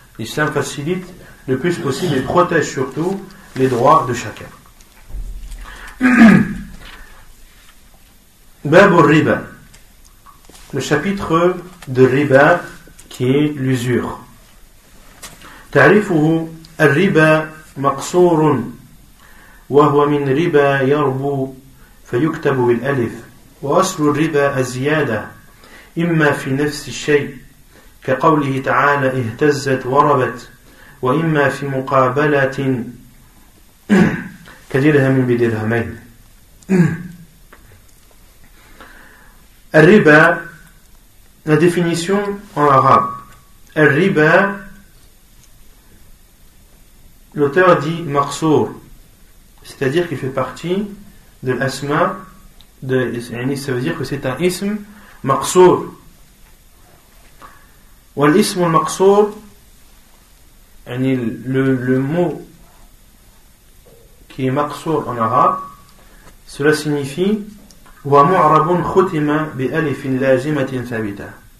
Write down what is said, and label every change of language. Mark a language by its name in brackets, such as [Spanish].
[French] L'islam facilite le plus possible et protège surtout les droits de chacun. Bab al-riba, le chapitre de riba qui est l'usure. [Arabic] Ta'rifuhu al-riba maqsourun. وهو من ربا يربو فيكتب بالألف وأصل الربا الزيادة إما في نفس الشيء كقوله تعالى اهتزت وربت وإما في مقابلة كدرهم بدرهمين الربا [French] la définition en arabe [Arabic] الربا [French] l'auteur dit [Arabic] مقصور. [French] C'est-à-dire qu'il fait partie de l'asma, ça veut dire que c'est un ism maqsour. Ou l'ism maqsour, le mot qui est maqsour en arabe, cela signifie [Arabic] wa mu'rabun khutima bi alifin lazimatin thabita.